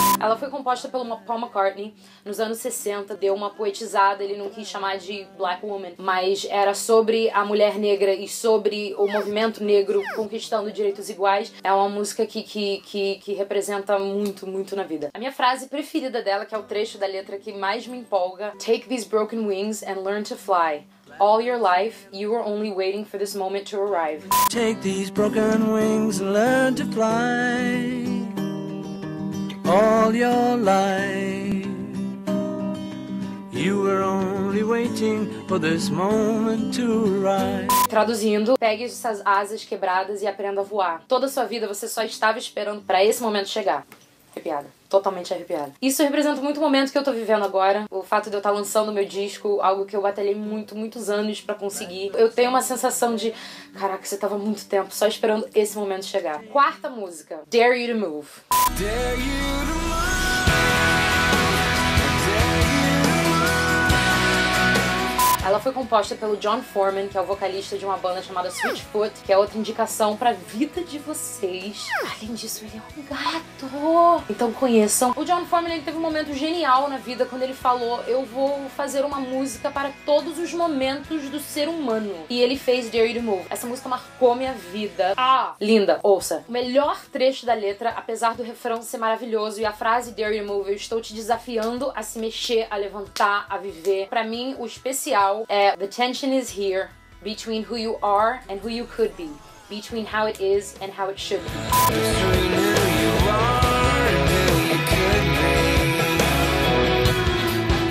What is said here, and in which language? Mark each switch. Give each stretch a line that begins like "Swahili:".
Portuguese: Ela foi composta pelo Paul McCartney nos anos 60, deu uma poetizada, ele não quis chamar de Black Woman, mas era sobre a mulher negra e sobre o movimento negro conquistando direitos iguais. É uma música que representa muito, muito na vida. A minha frase preferida dela, que é o trecho da letra que mais me empolga:
English: take these broken wings and learn to fly. All your life, you were only waiting for this moment to arrive. Take these broken wings and learn to fly. All your life, you were only waiting for this moment to arrive.
Portuguese: Traduzindo, pegue essas asas quebradas e aprenda a voar. Toda sua vida você só estava esperando pra esse momento chegar. Arrepiada. Totalmente arrepiada. Isso representa muito o momento que eu tô vivendo agora. O fato de eu estar lançando meu disco, algo que eu batalhei muito, muitos anos pra conseguir. Eu tenho uma sensação de, caraca, você tava muito tempo só esperando esse momento chegar. Quarta música, Dare You to Move.
English: Dare you to move.
Portuguese: Ela foi composta pelo John Foreman, que é o vocalista de uma banda chamada Sweetfoot, que é outra indicação pra vida de vocês. Além disso, ele é um gato! Então conheçam. O John Foreman, ele teve um momento genial na vida quando ele falou: eu vou fazer uma música para todos os momentos do ser humano. E ele fez Dare You to Move. Essa música marcou minha vida. Ah! Linda, ouça. O melhor trecho da letra, apesar do refrão ser maravilhoso e a frase Dare You to Move, eu estou te desafiando a se mexer, a levantar, a viver. Pra mim, o especial é:
English: the tension is here between who you are and who you could be, between how it is and how it should be. Between who you are and who you could be,